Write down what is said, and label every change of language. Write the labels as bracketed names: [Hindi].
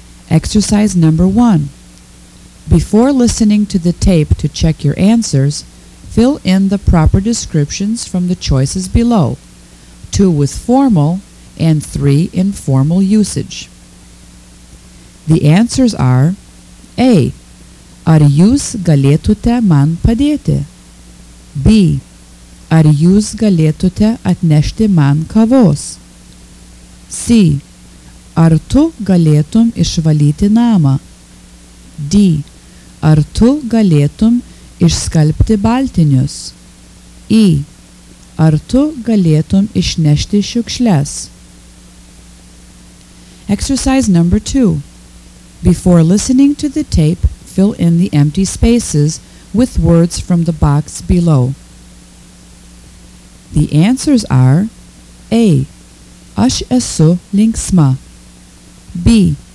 [English] Exercise number 1. Before listening to the tape to check your answers, fill in the proper descriptions from the choices below, 2 with formal and 3 informal usage. The answers are A. [Lithuanian] Ar jūs galėtute man padėti? B. Ar jūs galėtute atnešti man kavos? C. Ar tu galėtum išvalyti namą? D. Ar tu galėtum išskalbti baltinius? E. Ar tu galėtum išnešti šiukšles? [English] Exercise number 2. Before listening to the tape, fill in the empty spaces with words from the box below. The answers are A. [Lithuanian] Aš esu linksma. [English] B.